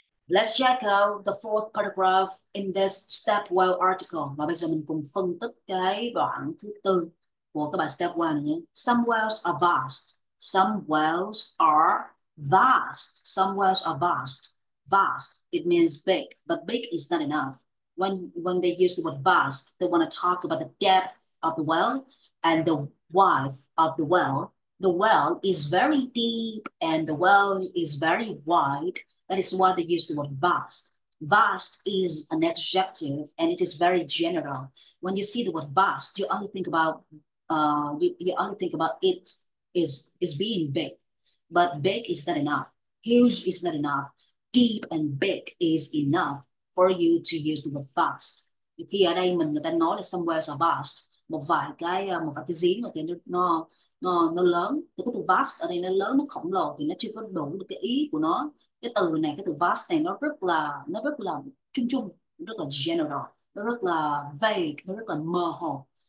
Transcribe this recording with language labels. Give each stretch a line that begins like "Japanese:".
English: Let's check out the fourth paragraph in this Stepwell article.
Vietnamese: Và bây giờ mình cùng phân tích cái đoạn thứ tư của cái bài Stepwell này nhé.
English: Some wells are vast. Some wells are vast. Some wells are vast. Vast, it means big, but big is not enough. When they use the word vast, they want to talk about the depth of the well and the width of the well. The well is very deep and the well is very wide. That is why they use the word vast. Vast is an adjective and it is very general. When you see the word vast, you only think about you only think about it is being big. But big is not enough. Huge is not enough. Deep and big is enough for you to use the word vast.
Vietnamese: Thì ở đây mình người ta nói là
English: somewhere are vast,
Vietnamese: một vài cái giếng mà cái nó lớn. Thì cái từ vast ở đây nó lớn, nó khổng lồ thì nó chưa có đủ được cái ý của nó. Cái từ này, cái từ vast này nó rất là chung chung, rất là general, nó rất là vague, nó rất là mơ hồ.